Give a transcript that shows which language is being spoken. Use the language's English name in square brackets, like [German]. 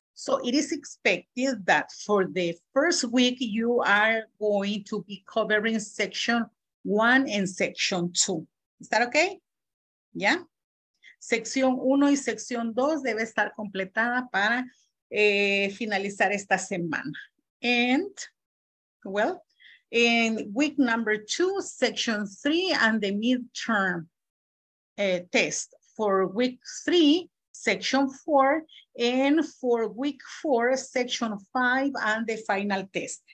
[English] So it is expected that for the first week, you are going to be covering section one and section two. Is that okay? Yeah. [Spanish] Sección uno y sección dos debe estar completada para finalizar esta semana. [English] And, well, in week number two, section three and the midterm test. For week three, section four, and for week four, section five and the final test.